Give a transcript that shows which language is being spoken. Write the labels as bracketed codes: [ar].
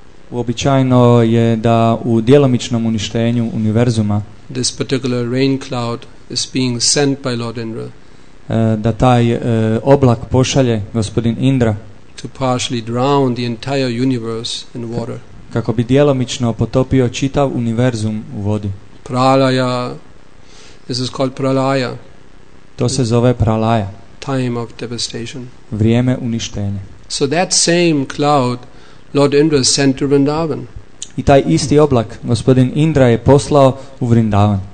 [hr] Uobičajeno je da u djelomičnom uništenju univerzuma [en] this particular rain cloud is being sent by Lord Indra, [hr] da taj oblak pošalje gospodin Indra, [en] to partially drown the entire universe in water, [hr] kako bi djelomično potopio čitav univerzum u vodi. [en] Pralaya, this is called pralaya. [hr] To se zove pralaya, [en] time of devastation, [hr] vrijeme uništenja. [en] So that same cloud Lord Indra sent to Vrindavan. [hr] I taj isti oblak gospodin Indra je poslao u Vrindavan.